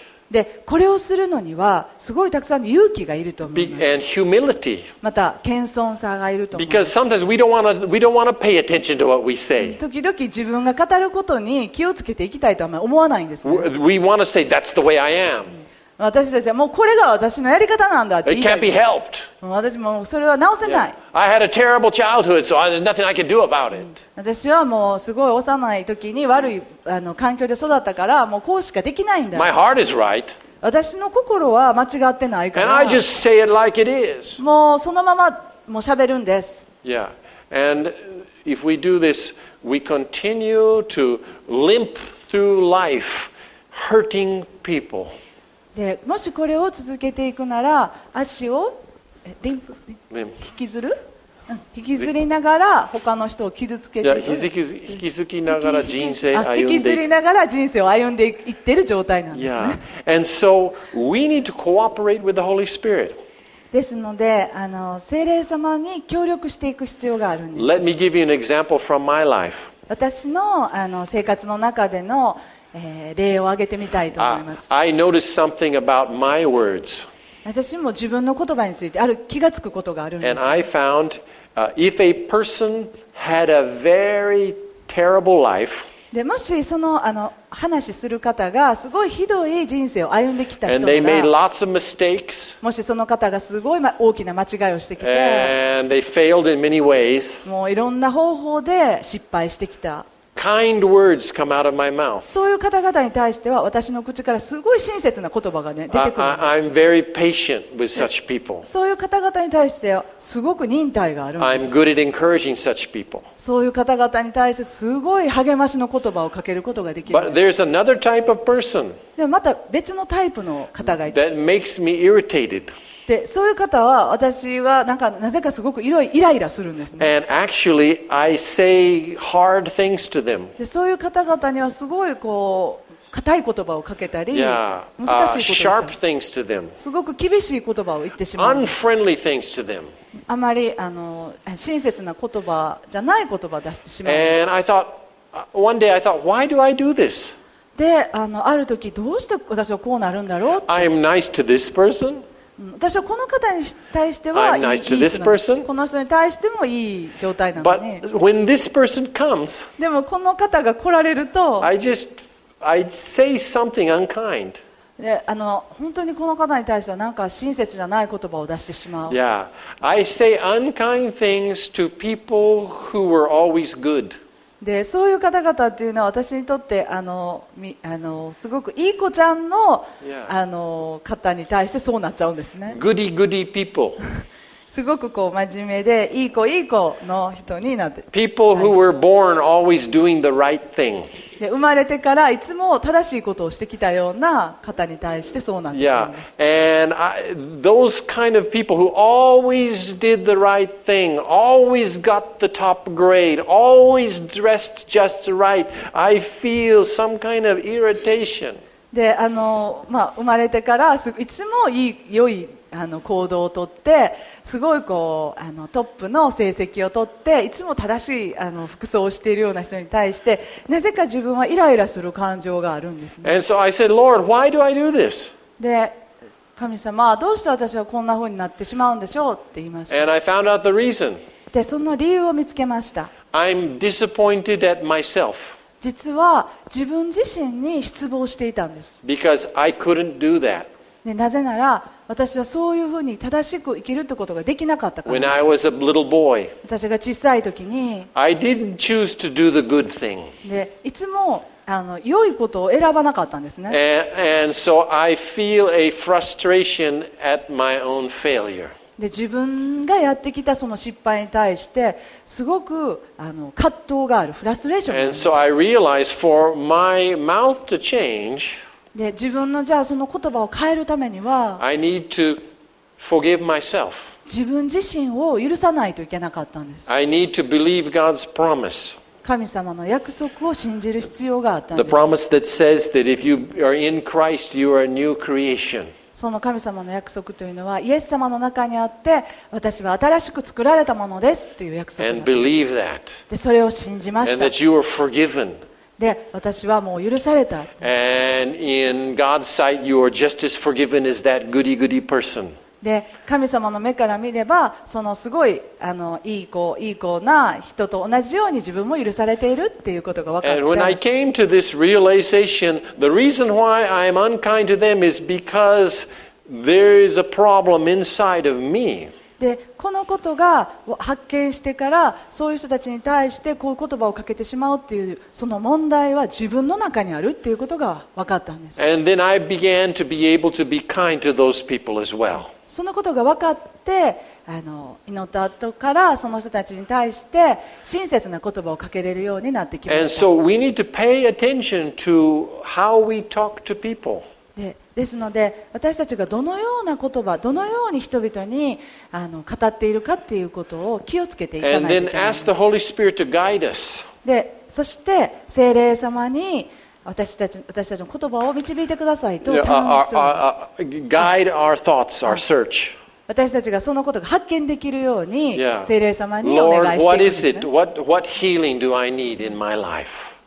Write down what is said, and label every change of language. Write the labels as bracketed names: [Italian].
[Japanese] でこれをするのにはすごいたくさんの勇気がいると思います。また謙遜さがいると思います。 [English] Because sometimes we don't wanna pay attention to what we say. [Japanese] 時々自分が語ることに気をつけていきたいとあまり思わないんです、ね。 [English] We wanna say that's the way I am. [Japanese] 私たちはもうこれが私のやり方なんだって。 [English] It can't be helped. [Japanese] 私もそれは直せない。 [English] I had a terrible childhood, so there's nothing I can do about it. [Japanese] 私はもうすごい幼い時に悪い環境で育ったから、もうこうしかできないんだ。 [English] My heart is right. [Japanese] 私の心は間違ってないから。 [English] And I just say it like it is. [Japanese] もうそのままもう喋るんです。 [English] Yeah. And if we do this, we continue to limp through life, hurting people. [Japanese] でもしこれを続けていくなら足をリンプ引きずる、引きずりながら他の人を傷つけていく、引きずりながら人生を歩んでいく、引きずりながら人生を歩んでいってる状態なんですね。 [English] Yeah. And so we need to cooperate with the Holy Spirit. [Japanese] ですので聖霊様に協力していく必要があるんです。 [English] Let me give you an example from my life. [Japanese] 私の生活の中での例を挙げてみたいと思います。 [English] I noticed something about my words. [Japanese] 私も自分の言葉についてある気がつくことがあるんです。 [English] And I found, if a person had a very terrible life, [Japanese] でもしその話する方がすごいひどい人生を歩んできた人が、 [English] And they made lots of mistakes, [Japanese] もしその方がすごい大きな間違いをしてきて、 [English] And they failed in many ways, [Japanese] もういろんな方法で失敗してきた。 [English] Kind words come out of my mouth. [Japanese] そういう方々に対しては私の口からすごい親切な言葉が、ね、出てくるんです。 [English] I'm very patient with such people. [Japanese] そういう方々に対してすごく忍耐があるんです。 [English] I'm good at encouraging such people. [Japanese] そういう方々に対してすごい励ましの言葉をかけることができる。 [English] But there's another type of person. [Japanese] でもまた別のタイプの方がいて。 [English] That makes me irritated. [Japanese] でそういう方は私はなんかなぜかすごくイライラするんですね。 [English] And actually, I say hard things to them. [Japanese] でそういう方々にはすごいこう硬い言葉をかけたり、 [English] sharp things to them. [Japanese] すごく厳しい言葉を言ってしまう。 [English] Unfriendly things to them. [Japanese] あまり親切な言葉じゃない言葉を出してしまう。 [English] And I thought, one day I thought, why do I do this? [Japanese] で、ある時どうして私はこうなるんだろうって。 [English] I am nice to this person. [Japanese] 私はこの方に対してはいい、 [English] nice、to this person. [Japanese] この人に対してもいい状態なのね。 [English] But when this person comes, [Japanese] でもこの方が来られると [English] I say something unkind. [Japanese] で、本当にこの方に対してはなんか親切じゃない言葉を出してしまう。 [English] Yeah. I say unkind things to people who were always good. [Japanese] でそういう方々っていうのは私にとってすごくいい子ちゃん の、 [English] yeah. [Japanese] 方に対してそうなっちゃうんですね。 [English] goody goody people. [Japanese] すごくこう真面目でいい子いい子の人になって [English] people who were born always doing the right thing. [Japanese] で生まれてからいつも正しいことをしてきたような方に対してそうなっちゃうんです。 [English] yeah. And those kind of people who always did the right thing, always got the top grade, always dressed just right, I feel some kind of irritation. [Japanese] で生まれてからいつも良い行動をとってすごいこうトップの成績をとっていつも正しい服装をしているような人に対してなぜか自分はイライラする感情があるんですね。 [English] And so I said, Lord, why do I do this? [Japanese] で神様はどうして私はこんな風になってしまうんでしょうって言いました。 [English] And I found out the reason. [Japanese] でその理由を見つけました。 [English] I'm disappointed at myself. [Japanese] 実は自分自身に失望していたんです。 [English] Because I couldn't do that. [Japanese] でなぜなら私はそういうふうに正しく生きるってことができなかったからです。 [English] When I was a little boy, [Japanese] 私が小さい時に [English] I didn't choose to do the good thing. [Japanese] でいつも良いことを選ばなかったんですね。 [English] And so I feel a frustration at my own failure. [Japanese] で自分がやってきたその失敗に対してすごく葛藤があるフラストレーションがあるんです。 [English] And so I realized for my mouth to change [Japanese] で自分のじゃあその言葉を変えるためには [English] I need to forgive myself. [Japanese] 自分自身を許さないといけなかったんです。 [English] I need to believe God's promise. [Japanese] 神様の約束を信じる必要があったんです。 [English] The promise that says that if you are in Christ, you are a new creation. [Japanese] その神様の約束というのはイエス様の中にあって私は新しく作られたものですという約束 [English] で And believe that. [Japanese] でそれを信じました。 [English] And that you are forgiven. [Japanese] で私はもう許された。 [English] And in God's sight, you are just as forgiven as that goody goody person. [Japanese] で神様の目から見ればそのすごいいい子いい子な人と同じように自分も許されているっていうことが分かって。 [English] And when I came to this realization, the reason why I am unkind to them is because there is a problem inside of me. [Japanese] でこのことが発見してからそういう人たちに対してこういう言葉をかけてしまうっていうその問題は自分の中にあるっていうことが分かったんです。 [English] And then I began to be able to be kind to those people as well. [Japanese] そのことが分かって祈った後からその人たちに対して親切な言葉をかけれるようになってきました。 [English] And so we need to pay attention to how we talk to people. [Japanese] ですので私たちがどのような言葉どのように人々に語っているかっていうことを気をつけていかないといけないんです。 [English] And then ask the Holy Spirit to guide us. [Japanese] でそして聖霊様に私たちの言葉を導いてくださいと頼みます。 [English] Guide our thoughts, our search. [Japanese] 私たちがそのことが発見できるように聖霊様にお願いしているんですね。 [English] Lord, what is it? What healing do I need in my life?